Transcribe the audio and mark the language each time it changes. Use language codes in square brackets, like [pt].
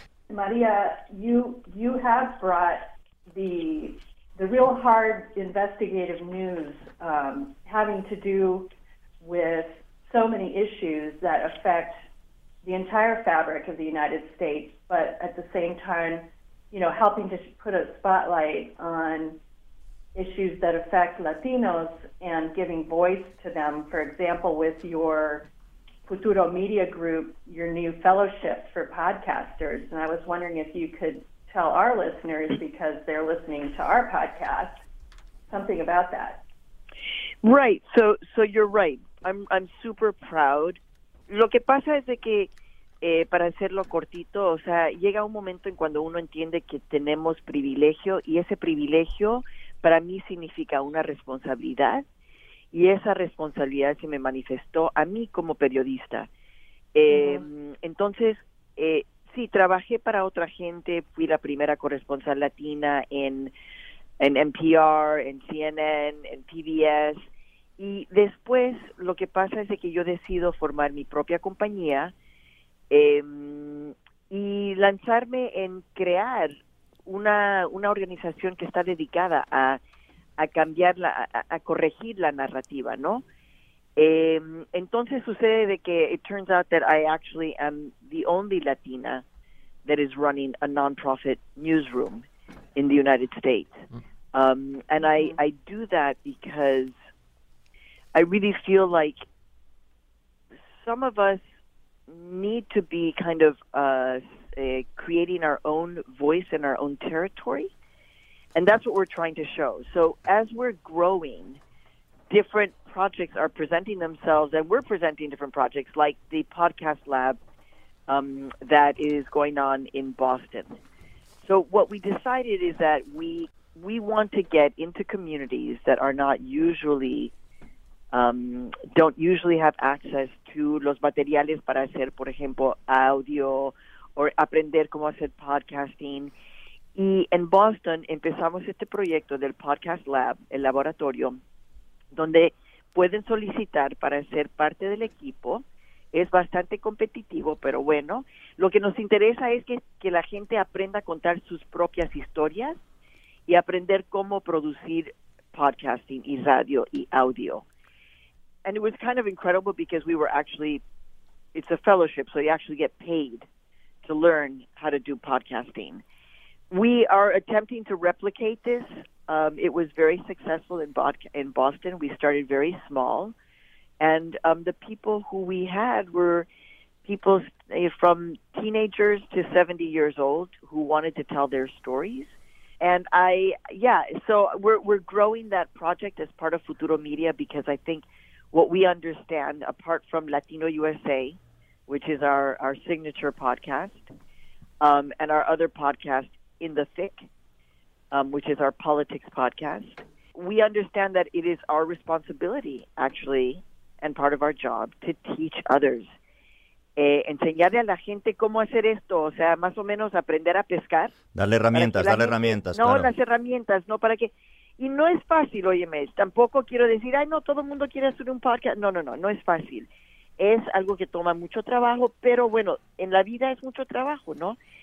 [en] Maria, you have brought the real hard investigative news having to do with so many issues that affect the entire fabric of the United States, but at the same time, you know, helping to put a spotlight on issues that affect Latinos and giving voice to them. For example, with your Futuro Media Group, your new fellowship for podcasters. And I was wondering if you could tell our listeners, because they're listening to our podcast, something about that. Right. So you're right. I'm super proud. [es] Lo que pasa es de que, para hacerlo cortito, o sea, llega un momento en cuando uno entiende que tenemos privilegio, y ese privilegio para mí significa una responsabilidad, y esa responsabilidad se me manifestó a mí como periodista. Uh-huh. Entonces, Sí, trabajé para otra gente. Fui la primera corresponsal latina en NPR, en CNN, en PBS. Y después lo que pasa es de que yo decido formar mi propia compañía y lanzarme en crear una organización que está dedicada a cambiar, a corregir la narrativa, ¿no? Entonces sucede de que [en] it turns out that I actually am the only Latina that is running a non-profit newsroom in the United States. And I do that because I really feel like some of us need to be kind of creating our own voice in our own territory. And that's what we're trying to show. So as we're growing, different projects are presenting themselves, and we're presenting different projects, like the podcast lab that is going on in Boston. So what we decided is that we want to get into communities that are not usually don't usually have access to [es] los materiales para hacer, por ejemplo, audio [en] or [es] aprender cómo hacer podcasting. Y en Boston empezamos este proyecto del podcast lab, el laboratorio, donde pueden solicitar para ser parte del equipo. Es bastante competitivo, pero bueno, lo que nos interesa es que la gente aprenda a contar sus propias historias y aprender cómo producir podcasting y radio y audio. [en] And it was kind of incredible because we were actually, it's a fellowship, so you actually get paid to learn how to do podcasting. We are attempting to replicate this. It was very successful in Boston. We started very small. And the people who we had were people from teenagers to 70 years old who wanted to tell their stories. And we're growing that project as part of Futuro Media because I think what we understand, apart from Latino USA, which is our signature podcast, and our other podcast, In the Thick, which is our politics podcast, we understand that it is our responsibility, actually, and part of our job, to teach others. [es] Enseñarle a la gente cómo hacer esto, o sea, más o menos aprender a pescar. Darle herramientas, darle herramientas. No, las herramientas, no, para que... Y no es fácil, óyeme, tampoco quiero decir, ay, no, todo el mundo quiere hacer un podcast. No es fácil. Es algo que toma mucho trabajo, pero bueno, en la vida es mucho trabajo, ¿no?